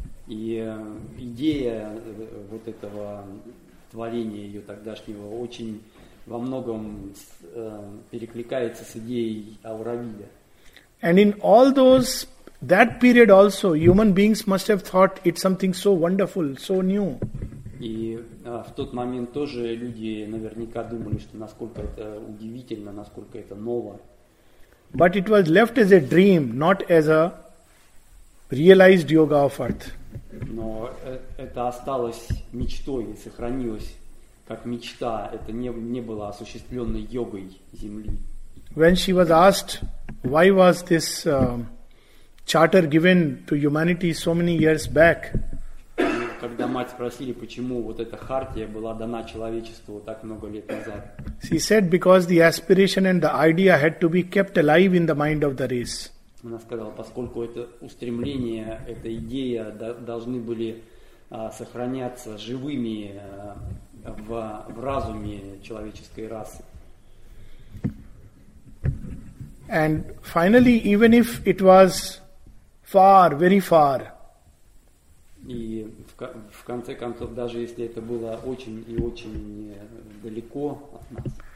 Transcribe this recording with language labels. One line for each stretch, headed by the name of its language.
Russian: И идея вот этого творения ее тогдашнего очень во многом перекликается с идеей Аурабиля.
English: And in all those, that period also, human beings must have thought it's something so wonderful, so new.
Russian: И в тот момент тоже люди наверняка думали, что насколько это удивительно, насколько это ново.
English: But it was left as a dream, not as a realized yoga of earth.
Russian: Но это осталось мечтой и сохранилось как мечта. Это не было осуществленной йогой земли.
English: When she was asked why was this charter given to humanity so many years back,
Russian: когда мать спросили, почему вот эта хартия была дана человечеству так много лет назад,
English: she said because the aspiration and the idea had to be kept alive in the mind of the race.
Russian: Она сказала, поскольку это устремление, эта идея должны были сохраняться живыми в разуме человеческой расы.
English: And finally, even if it was far, very far,
Russian: и в конце концов, даже если это было очень и очень далеко от нас,